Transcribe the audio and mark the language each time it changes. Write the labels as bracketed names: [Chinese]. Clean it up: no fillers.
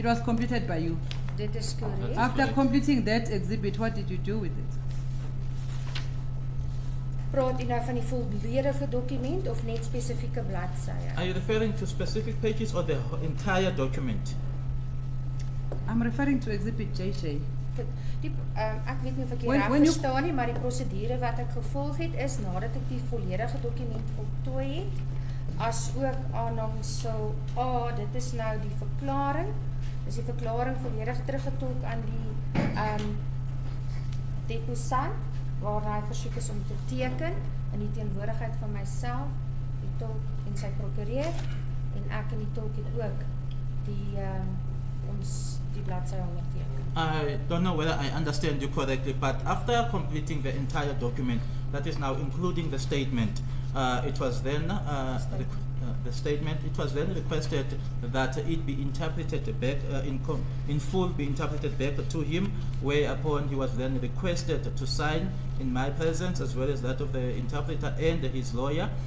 [English] It was completed by you. [Afrikaans] Dit is correct. [English] After completing that exhibit, what did you do with it? [Afrikaans] Praat u nou van die volledige document of net spesifieke bladsye? [English] Are you referring to specific pages or the entire document? I'm referring to exhibit JJ. [Afrikaans] Ek weet nie of ek jy reg verstaan nie, maar die prosedure wat ek gevolg het is nadat ek die volledige dokument voltooi het, as ook aanhangsel A, dit is nou die verklaring. Is die verklaring volledig teruggetolk aan die deposant waar hy versoek is om te teken in die teenwoordigheid van myself, die tolk en sy prokureur, en ek en die tolk het ook die [English] I don't know whether I understand you correctly, but after completing the entire document, that is now including the statement, it was then the statement. It was then requested that it be interpreted back in full, be interpreted back to him, whereupon he was then requested to sign in my presence, as well as that of the interpreter and his lawyer.